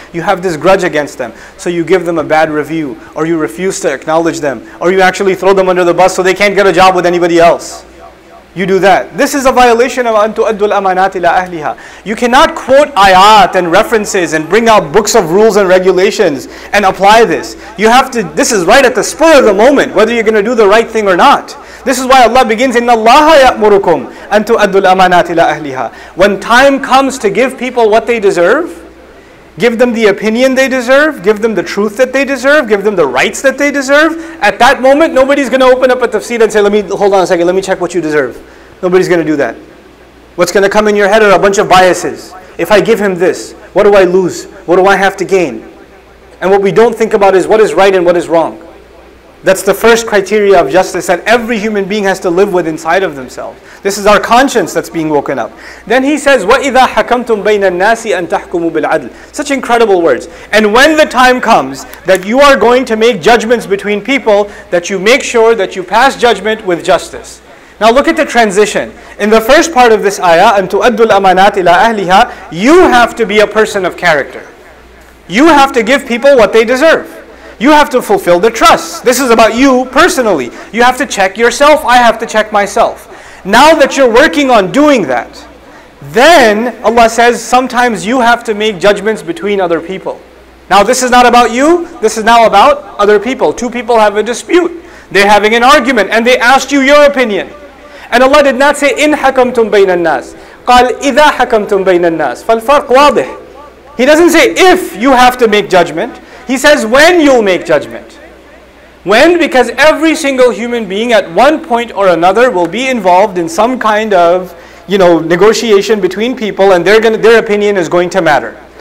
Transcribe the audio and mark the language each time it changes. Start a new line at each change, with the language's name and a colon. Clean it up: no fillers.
English: You have this grudge against them. So you give them a bad review, or you refuse to acknowledge them, or you actually throw them under the bus so they can't get a job with anybody else. You do that. This is a violation of
Arabic: أَن تُؤَدُّ الْأَمَانَاتِ إِلَىٰ أَهْلِهَا.
English: You cannot quote ayat and references and bring out books of rules and regulations and apply this. You have to, this is right at the spur of the moment, whether you're going to do the right thing or not. This is why Allah begins,
Arabic: إِنَّ اللَّهَ يَأْمُرُكُمْ أَن تُؤَدُّ الْأَمَانَاتِ إِلَىٰ أَهْلِهَا.
English: When time comes to give people what they deserve, give them the opinion they deserve, give them the truth that they deserve, give them the rights that they deserve. At that moment, nobody's going to open up a tafsir and say, let me check what you deserve. Nobody's going to do that. What's going to come in your head are a bunch of biases. If I give him this, what do I lose? What do I have to gain? And what we don't think about is what is right and what is wrong. That's the first criteria of justice that every human being has to live with inside of themselves. This is our conscience that's being woken up. Then he says,
Arabic: وَإِذَا حَكَمْتُمْ بَيْنَ النَّاسِ أَن تَحْكُمُوا بِالْعَدْلِ.
English: Such incredible words. And when the time comes that you are going to make judgments between people, that you make sure that you pass judgment with justice. Now look at the transition. In the first part of this ayah,
Arabic: أَن تُؤَدُّ الْأَمَانَاتِ إِلَىٰ أَهْلِهَا,
English: you have to be a person of character. You have to give people what they deserve. You have to fulfill the trust. This is about you personally. You have to check yourself. I have to check myself. Now that you're working on doing that, then Allah says, sometimes you have to make judgments between other people. Now this is not about you. This is now about other people. Two people have a dispute. They're having an argument and they asked you your opinion. And Allah did not say,
Arabic: إِنْ حَكَمْتُمْ بَيْنَ النَّاسِ قَالْ إِذَا حَكَمْتُمْ بَيْنَ النَّاسِ فَالْفَرْقُ وَاضِحِ.
English: He doesn't say, if you have to make judgment. He says, when you'll make judgment. When? Because every single human being at one point or another will be involved in some kind of, you know, negotiation between people, and their opinion is going to matter.